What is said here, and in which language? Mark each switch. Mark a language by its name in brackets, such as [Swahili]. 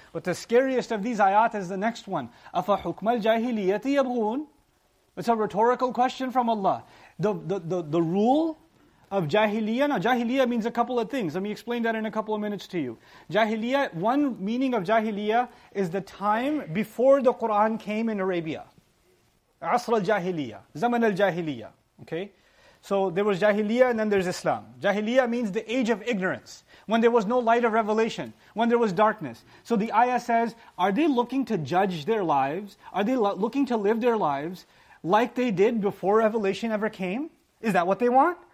[English] But the scariest of these ayat is the next one. [Arabic] أَفَحُكْمَ الْجَاهِلِيَّةِ يَبْغُونَ [English] It's a rhetorical question from Allah. The rule of jahiliyyah. Now jahiliyyah means a couple of things. Let me explain that in a couple of minutes to you. Jahiliyyah, one meaning of jahiliyyah is the time before the Qur'an came in Arabia. [Arabic] عصر الجاهلية, زمن الجاهلية. [English] Okay? So there was Jahiliyyah and then there's Islam. Jahiliyyah means the age of ignorance, when there was no light of revelation, when there was darkness. So the ayah says, are they looking to judge their lives? Are they looking to live their lives like they did before revelation ever came? Is that what they want?